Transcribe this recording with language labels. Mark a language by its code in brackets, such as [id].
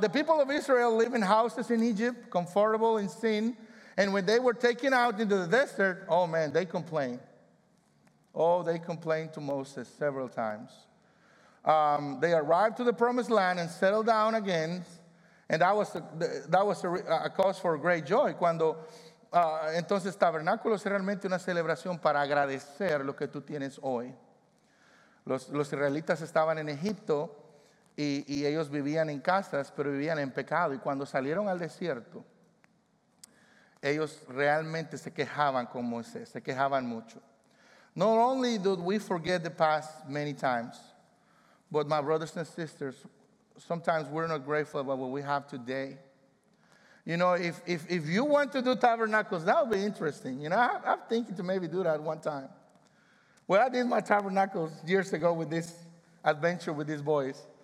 [en] The people of Israel live in houses in Egypt, comfortable in sin. And when they were taken out into the desert, oh man, they complained. Oh, they complained to Moses several times. They arrived to the promised land and settled down again. And that was a cause for great joy. [es] Entonces, tabernáculos es realmente una celebración para agradecer lo que tú tienes hoy. Los israelitas estaban en Egipto y ellos vivían en casas, pero vivían en pecado. Y cuando salieron al desierto, ellos realmente se quejaban con Moisés, se quejaban mucho. [en] Not only do we forget the past many times, but my brothers and sisters, sometimes we're not grateful about what we have today. You know, if you want to do tabernacles, that would be interesting. You know, I'm thinking to maybe do that one time. Well, I did my tabernacles years ago with this adventure with these boys.